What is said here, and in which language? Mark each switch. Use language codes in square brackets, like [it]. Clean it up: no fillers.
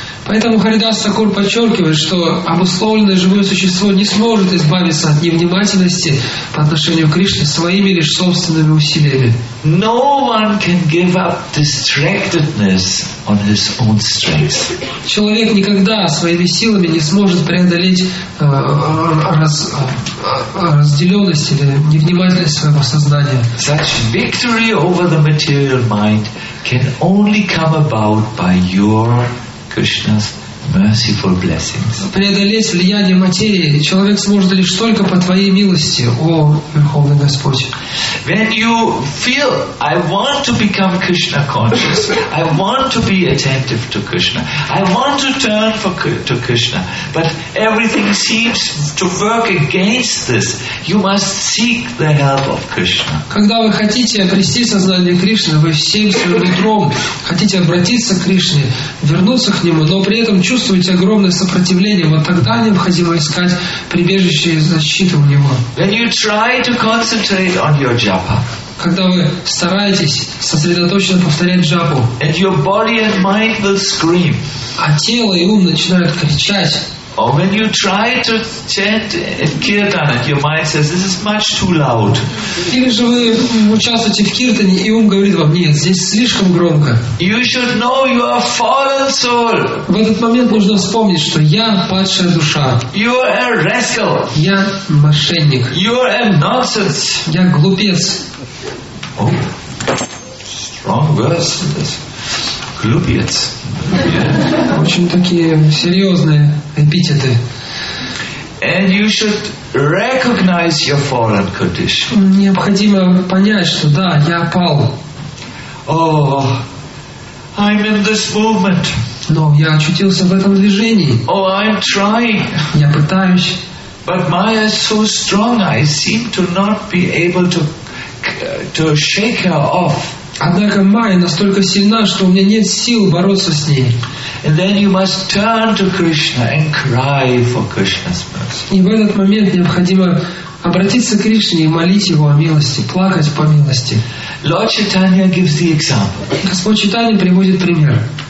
[ru] Поэтому Харидас Такур подчеркивает, что обусловленное живое существо не сможет избавиться от невнимательности по отношению к Кришне своими лишь собственными усилиями. [en] No one can give up distractedness on his own strength. [ru] Человек никогда своими силами не сможет преодолеть разделенность или невнимательность своего сознания. [en] Such victory over the material mind can only come about by your Krishna's merciful blessings. [ru] Преодолеть влияние материи человек сможет лишь только по твоей милости, о Верховный Господь. [en] When you feel I want to become Krishna conscious, I want to be attentive to Krishna, I want to turn to Krishna, but everything seems to work against this, you must seek the help of Krishna. [ru] Когда вы хотите обрести сознание Кришны, вы всем своим нутром хотите обратиться к Кришне, вернуться к Нему, но при этом чувствуете огромное сопротивление, вот тогда необходимо искать прибежище и защиту у него. [en] When you try to concentrate on your japa, [ru] когда вы стараетесь сосредоточенно повторять джапу, [en] and your body and mind will scream, [ru] а тело и ум начинают кричать, [en] or when you try to chant in kirtan and your mind says this is much too loud, [ru] или же вы участвуете в киртане и ум говорит вам, нет, здесь слишком громко, [en] you should know you are a fallen soul. [ru] В этот момент нужно вспомнить, что я падшая душа, [en] you are a rascal, [ru] я мошенник, [en] you are a nonsense, [ru] я глупец. [en] Oh, strong words in this. [ru] Глупец. Очень такие серьезные эпитеты. [en] And you should recognize your fallen condition. [ru] Необходимо понять, что да, я пал. [en] Oh, I'm in this movement. [ru] Но я очутился в этом движении. [en] Oh, I'm trying. [ru] Я пытаюсь. [en] But Maya is so strong, I seem to not be able to shake her off. [ru] Однако Майя настолько сильна, что у меня нет сил бороться с ней. [en] And then you must turn to Krishna and cry for Krishna's mercy. [ru] И в этот момент необходимо обратиться к Кришне и молить Его о милости, плакать по милости. [en] Lord Chaitanya gives the example. [ru] Господь Чайтанья приводит пример.